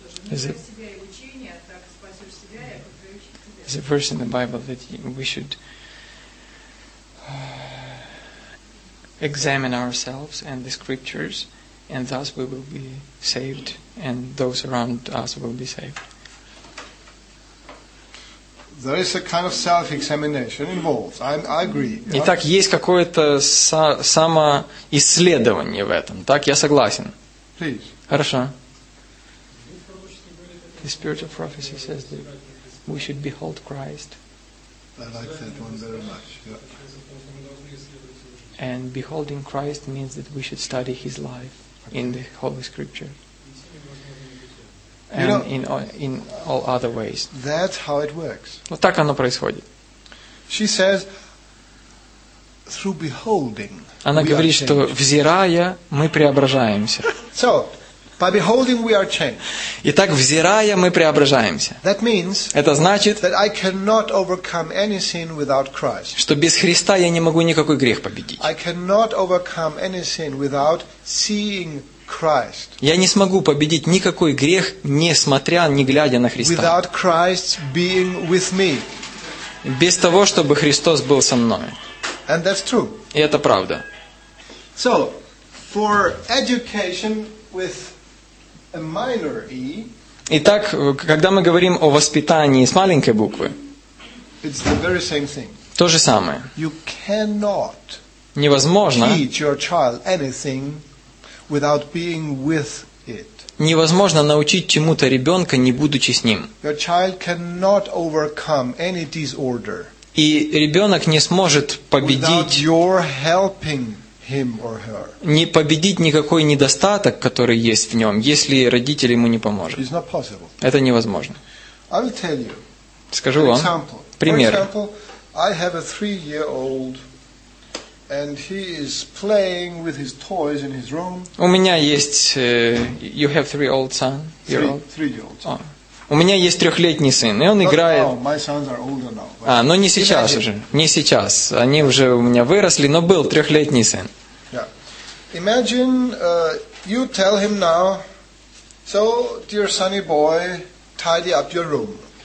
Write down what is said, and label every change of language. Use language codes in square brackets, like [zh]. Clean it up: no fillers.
[en] There's a verse in the Bible that we should examine ourselves and the scriptures, and thus we will be saved, and those around us will be saved. There is a kind of self-examination involved. I agree. [ru] Итак, есть какое-то самоисследование в этом. Так, я согласен. [en] Please. [ru] Хорошо. [en] The spirit of prophecy says that we should behold Christ. I like that one very much. Yeah. And beholding Christ means that we should study His life in the Holy Scripture. And you know, in all other ways. That's how it works. [ru] Вот так оно происходит. [en] She says, through beholding, [ru] она говорит, что взирая, мы преображаемся. [en] So, by beholding we are changed. [ru] Итак, взирая, мы преображаемся. [en] That means, [ru] это значит, [en] that I cannot overcome any sin without Christ. [ru] Что без Христа я не могу никакой грех победить. [en] I cannot overcome any sin without seeing Christ. [ru] Я не смогу победить никакой грех, не смотря, не глядя на Христа. [en] Without Christ being with me. [ru] Без того, чтобы Христос был со мной. [en] And that's true. [ru] И это правда. [en] So, for education with a minor e. [ru] Итак, когда мы говорим о воспитании с маленькой буквы, [en] it's the very same thing. [ru] То же самое. [en] You cannot [ru] невозможно [en] teach your child anything without being with it. [ru] Невозможно научить чему-то ребенка, не будучи с ним. [en] Your child cannot overcome any disorder. [ru] И ребенок не сможет победить [en] without your helping him or her. [ru] Не победить никакой недостаток, который есть в нем, если родитель ему не поможет. [en] It's not possible. [ru] Это невозможно. [en] I will tell you. [ru] Скажу вам пример. [en] For example, I have a 3-year-old and he is playing with his toys in his room. [ru] У меня есть [en] you have 3-year-old son. Three-year-old son. [ru] У меня есть 3-летний сын, и он играет. Но не сейчас уже. Не сейчас. Они уже у меня выросли, но был 3-летний сын. [en] Imagine you tell him now, so dear sonny boy, tidy up your room.